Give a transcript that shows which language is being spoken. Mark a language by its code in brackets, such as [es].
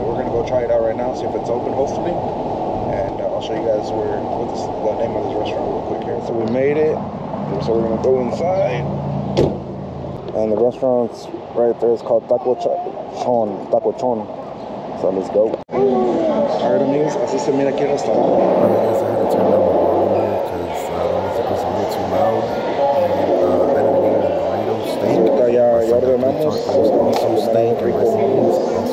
[en] But we're gonna go try it out right now, see if it's open, hopefully. And I'll show you guys the name of this restaurant real quick here. So we made it. So we're gonna go inside. And the restaurant's right there is called Taco Chon. So let's go. [es] Alright, amigos, así se mira aquí el restaurante. [en] Alright, guys, I had to turn down the volume because the music was supposed to be too loud. And I didn't need a burrito steak.